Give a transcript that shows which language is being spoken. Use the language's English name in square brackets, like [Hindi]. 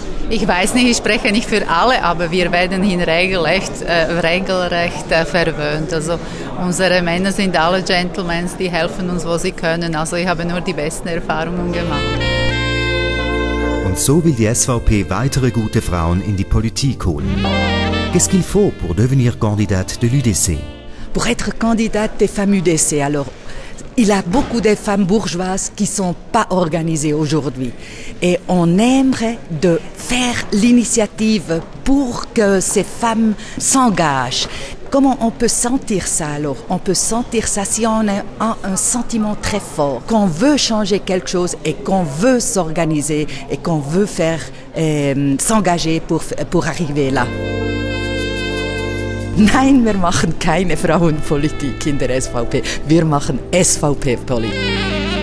[German] Ich weiß nicht, ich spreche nicht für alle, aber wir werden hier regelrecht verwöhnt. Also unsere Männer sind alle Gentlemen, die helfen uns, wo sie können. Also ich habe nur die besten Erfahrungen gemacht. Und so will die SVP weitere gute Frauen in die Politik holen. [French] Qu'est-ce qu'il faut pour devenir candidate de l'UDC? Pour être candidate des femmes UDC, alors il y a beaucoup de femmes bourgeoises qui sont pas organisées aujourd'hui. Et on aimerait de faire l'initiative pour que ces femmes s'engagent. Comment on peut sentir ça alors? On peut sentir ça si on a un sentiment très fort, qu'on veut changer quelque chose et qu'on veut s'organiser et qu'on veut faire s'engager pour arriver là. [German] Nein, wir machen keine Frauenpolitik in der SVP. Wir machen SVP-Politik.